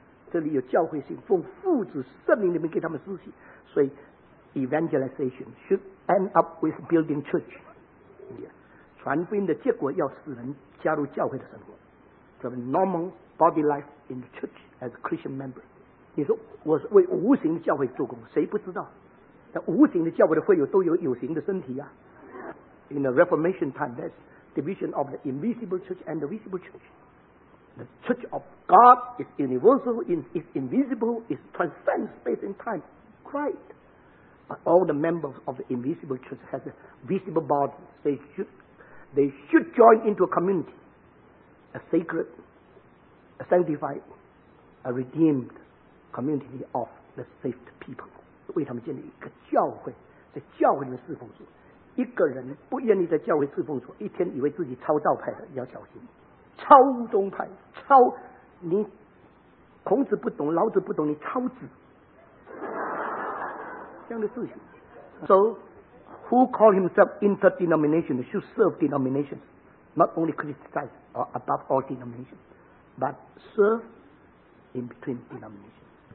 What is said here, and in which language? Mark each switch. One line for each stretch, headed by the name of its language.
Chinese: 这里有教会性，奉父子圣灵里面给他们施洗，所以
English: evangelization should end up with building church。
Chinese: 传福音的结果要使人加入教会的生活，叫做
English: normal body life in the church as a Christian member。
Chinese: 你说我是为无形的教会做工，谁不知道那无形的教会的会友都有有形的身体啊。
English: In the Reformation time there's division of the invisible church and the visible church。 The church of God is universal, is invisible, is transcends space and time, Christ。 But all the members of the invisible church has a visible body. They should join into a community, a sacred, a sanctified, a redeemed community of the saved people.
Chinese: 为他们建立一个教会，在教会里面侍奉主。一个人不愿意在教会侍奉主，一天以为自己超道派的，要小心。超宗派，超你孔子不懂，老子不懂，你超子。这样的事情。
English: So who call himself interdenominational should serve denominations, not only criticize or above all denominations, but serve in between denominations.